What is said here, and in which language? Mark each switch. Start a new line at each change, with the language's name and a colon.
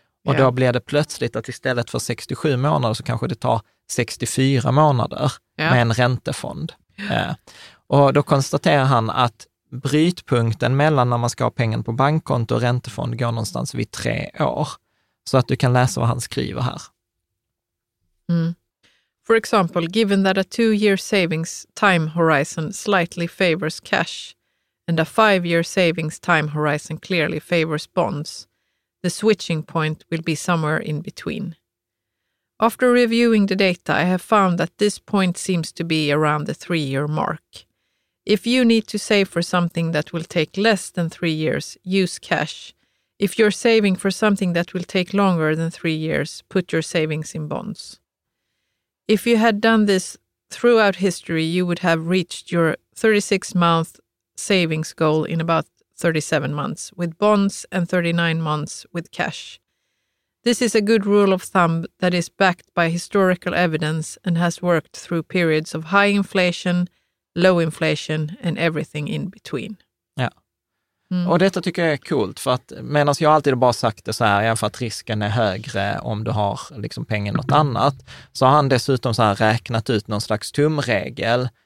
Swedish: Och
English: yeah.
Swedish: då blir det plötsligt att istället för 67 månader så kanske det tar 64 månader yeah. med en räntefond. Och då konstaterar han att brytpunkten mellan när man ska ha pengar på bankkonto och räntefond går någonstans vid 3 år. Så att du kan läsa vad han skriver här. Mm.
English: For example, given that a 2-year savings time horizon slightly favors cash and a 5-year savings time horizon clearly favors bonds, the switching point will be somewhere in between. After reviewing the data, I have found that this point seems to be around the 3-year mark. If you need to save for something that will take less than 3 years, use cash. If you're saving for something that will take longer than 3 years, put your savings in bonds. If you had done this throughout history, you would have reached your 36-month savings goal in about 37 months with bonds and 39 months with cash. This is a good rule of thumb that is backed by historical evidence and has worked through periods of high inflation, low inflation and everything in between.
Swedish: Ja. Mm. Och detta tycker jag är coolt, för att medan jag alltid bara sagt det så här, för att risken är högre om du har liksom pengar något annat, så har han dessutom så här räknat ut någon slags tumregel.